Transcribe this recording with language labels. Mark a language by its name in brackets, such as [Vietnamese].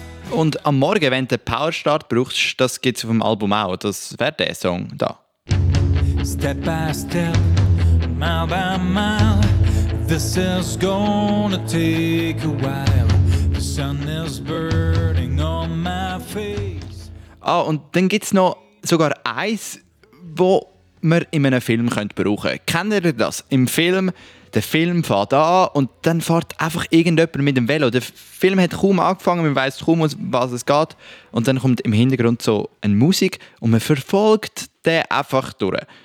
[German] Und am Morgen, wenn du den Powerstart brauchst, das gibt es auf dem Album auch. Das wäre der Song da. [English] Step by step, mile by mile. This is gonna take a while. The sun is burning on my face. [German] Ah, und dann gibt es noch sogar eins, das man in einem Film brauchen könnte. Kennt ihr das? Im Film, der Film fährt an und dann fährt einfach irgendjemand mit dem Velo. Der Film hat kaum angefangen, man weiss kaum, um was es geht. Und dann kommt im Hintergrund so eine Musik und man verfolgt den einfach durch.